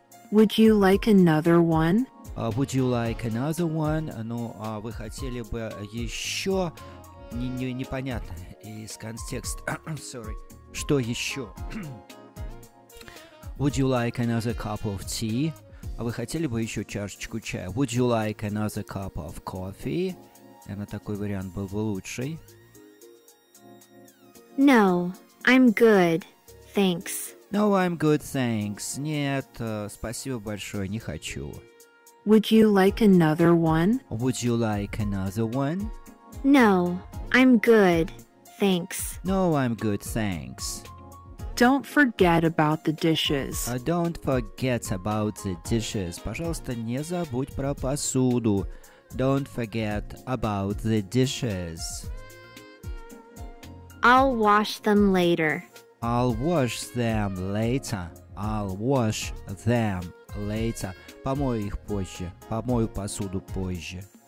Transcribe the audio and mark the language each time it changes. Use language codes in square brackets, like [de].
[en] Would you like another one? Would you like another one? [ru] Ну, вы хотели бы еще? Непонятно из контекста. [en] Sorry. [ru] Что еще? [en] Would you like another cup of tea? [ru] А вы хотели бы еще чашечку чая? [en] Would you like another cup of coffee? [ru] Наверное, такой вариант был бы лучший. [en] No, I'm good. Thanks. No, I'm good, thanks. [ru] Нет, спасибо большое, не хочу. [en] Would you like another one? Would you like another one? No, I'm good, thanks. No, I'm good, thanks. Don't forget about the dishes. Don't forget about the dishes. [ru] Пожалуйста, не забудь про посуду. [en] Don't forget about the dishes. I'll wash them later. I'll wash them later. I'll wash them later. [ru] Помою их позже. Помою посуду позже.